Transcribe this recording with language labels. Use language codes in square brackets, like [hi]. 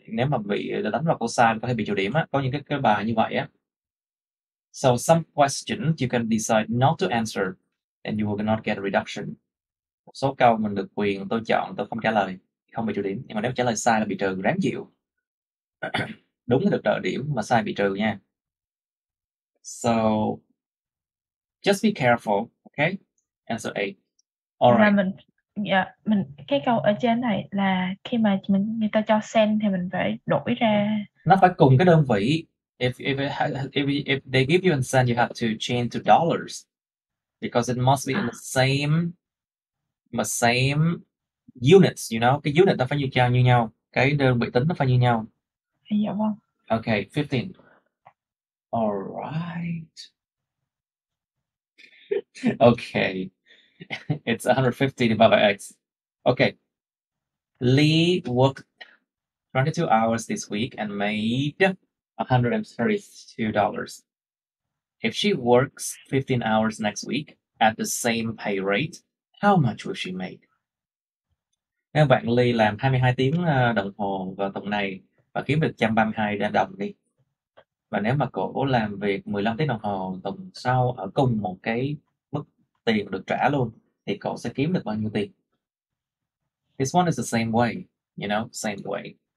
[vi] Nếu mà bị đánh vào câu sai, có thể bị trừ điểm á. Có những cái bài như vậy á. [en] So some questions you can decide not to answer and you will not get a reduction. [vi] Một số câu mình được quyền, tôi chọn, tôi không trả lời, không bị trừ điểm. Nhưng mà nếu trả lời sai là bị trừ, ráng chịu. Đúng là được trợ điểm, mà sai bị trừ nha. [en] So just be careful, okay? Answer A. All right. [vi] Mình cái câu ở trên này là khi mà mình người ta cho cent thì mình phải đổi ra. Nó phải cùng cái đơn vị. [en] If they give you a cent, you have to change to dollars because it must be in the same units, you know? [vi] Cái unit nó phải như nhau, cái đơn vị tính nó phải như nhau. Dạ vâng. [en] Okay, 15. All right. Okay. It's 150 divided by X. Okay. Lee worked 22 hours this week and made $132. If she works 15 hours next week at the same pay rate, how much will she make? [vi] Nếu bạn Lee làm 22 tiếng đồng hồ vào tuần này và kiếm được 132 đồng đi. Và nếu mà cô làm việc 15 tiếng đồng hồ tuần sau ở cùng một cái mức tiền được trả luôn, thì cậu sẽ kiếm được bao nhiêu tiền? [en] This one is the same way, you know, same way.